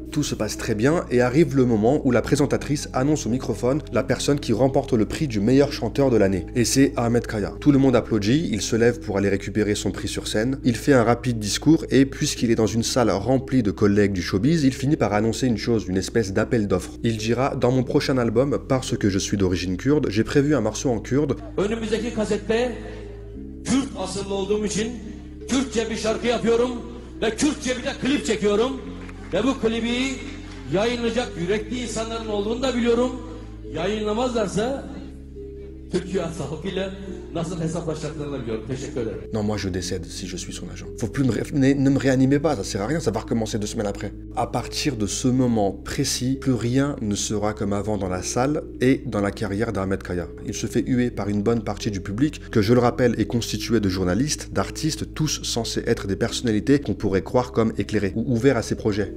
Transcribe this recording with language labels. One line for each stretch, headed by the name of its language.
French: Tout se passe très bien et arrive le moment où la présentatrice annonce au microphone la personne qui remporte le prix du meilleur chanteur de l'année. Et c'est Ahmet Kaya. Tout le monde applaudit, il se lève pour aller récupérer son prix sur scène. Il fait un rapide discours et puisqu'il est dans une salle remplie de collègues du showbiz, il finit par annoncer une chose, une espèce d'appel d'offres. Il dira « Dans mon prochain album, parce que je suis d'origine kurde, j'ai prévu un morceau en kurde.
Turkish: Önümüzdeki kasette Kürt asıllı olduğum için Kürtçe bir şarkı yapıyorum ve Kürtçe bir de klip çekiyorum ve bu klibi yayınlayacak yürekli insanların olduğunu da biliyorum. Yayınlamazlarsa Türkiye halkıyla nasıl hesaplaşacaklarını biliyorum. Teşekkür ederim.
French: Non moi je décède si je suis son agent. Faut plus ne me réanimez pas, ça sert à rien, ça va recommencer deux semaines après. À partir de ce moment précis, plus rien ne sera comme avant dans la salle et dans la carrière d'Ahmet Kaya. Il se fait huer par une bonne partie du public, que je le rappelle est constitué de journalistes, d'artistes, tous censés être des personnalités qu'on pourrait croire comme éclairées ou ouvertes à ses projets.